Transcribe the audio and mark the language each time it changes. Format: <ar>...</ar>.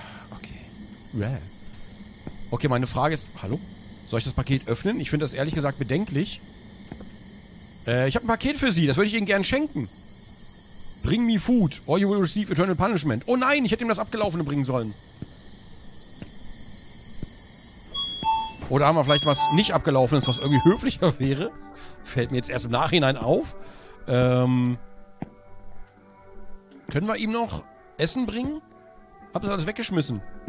<de>Okay. Okay, meine Frage ist... Hallo? Soll ich das Paket öffnen? Ich finde das ehrlich gesagt bedenklich. Ich habe ein Paket für Sie. Das würde ich Ihnen gerne schenken.</de> <en>Bring me food, or you will receive eternal punishment.</en> <de>Oh nein, ich hätte ihm das Abgelaufene bringen sollen. Oder haben wir vielleicht was nicht Abgelaufenes, was irgendwie höflicher wäre? Fällt mir jetzt erst im Nachhinein auf. Können wir ihm noch Essen bringen? Hab das alles weggeschmissen.</de>